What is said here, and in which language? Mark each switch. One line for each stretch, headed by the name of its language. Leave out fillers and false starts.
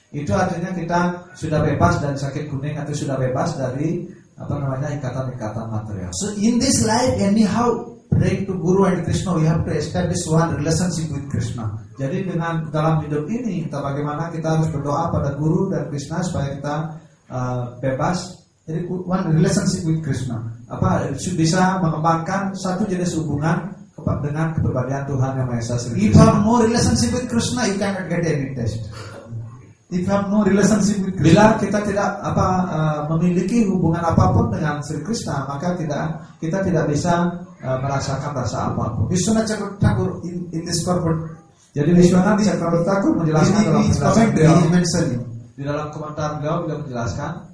Indonesian: Itu artinya kita sudah bebas dari sakit kuning atau sudah bebas dari apa namanya ikatan-ikatan material.
English: So in this life anyhow praying to Guru and Krishna, we have to establish one relationship with Krishna.
Indonesian: Jadi dengan dalam hidup ini, kita bagaimana kita harus berdoa pada Guru dan Krishna supaya kita bebas.
English: Jadi one relationship with Krishna.
Indonesian: Apa bisa mengembangkan satu jenis hubungan dengan kepribadian Tuhan Yang Maha Esa.
English: If you have no relationship with Krishna, you cannot get any test. If you have no relationship with Krishna.
Indonesian: Bila kita tidak apa memiliki hubungan apapun dengan Sri Krishna, maka kita tidak bisa merasakan rasa apapun.
English: Vishwanatha Thakur in this purport.
Indonesian: Jadi Vishwanatha Thakur takut menjelaskan dalam komentar beliau. Di dalam komentar beliau beliau menjelaskan